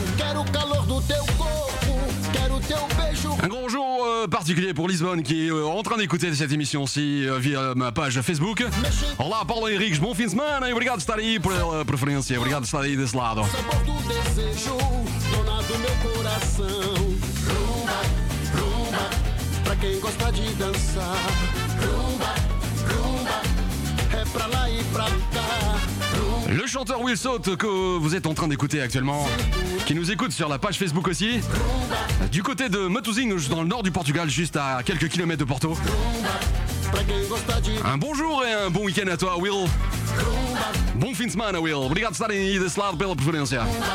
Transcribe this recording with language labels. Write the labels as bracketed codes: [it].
[pt] Quero o calor do teu corpo, quero o teu beijo. [fr] Bonjour particulier pour Lisbonne qui est en train d'écouter cette émission aussi via ma page Facebook. [pt] Olá Paulo Henriques, [fr] bon fin de semana [pt] e obrigado de estar aí por preferência, obrigado de estar aí desse lado. Sabor do desejo, dona do meu coração. Rumba, rumba, pra quem gosta de dançar. Rumba, rumba, é pra lá e pra cá. [fr] Le chanteur Will Sout que vous êtes en train d'écouter actuellement, qui nous écoute sur la page Facebook aussi, du côté de Matosinhos, juste dans le nord du Portugal, juste à quelques kilomètres de Porto. Un bonjour et un bon week-end à toi, Will. Bon fin de semaine, Will. [pt] Obrigado por estar aí desse lado pela preferência.